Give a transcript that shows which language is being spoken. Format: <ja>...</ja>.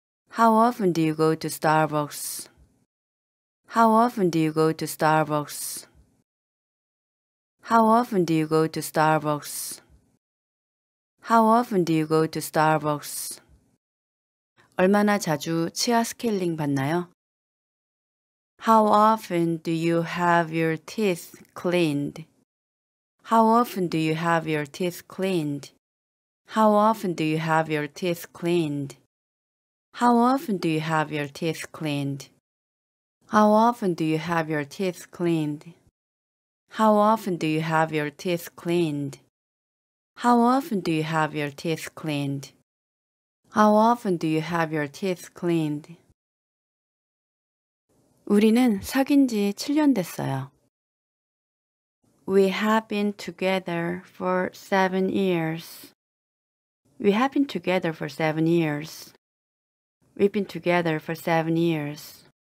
<en>How often do you go to Starbucks? How often do you go to Starbucks? How often do you go to Starbucks? How often do you go to Starbucks?</en> <ko>얼마나 자주 치아 스케일링 받나요?</ko> <en>How often do you have your teeth cleaned? How often do you have your teeth cleaned? How often do you have your teeth cleaned? How often do you have your teeth cleaned? How often do you have your teeth cleaned? How often do you have your teeth cleaned? How often do you have your teeth cleaned? How often do you have your teeth cleaned?</en> <ko>우리는 사귄 지 7년 됐어요.</ko> <en>We have been together for 7 years. We have been together for 7 years. We've been together for 7 years.</en>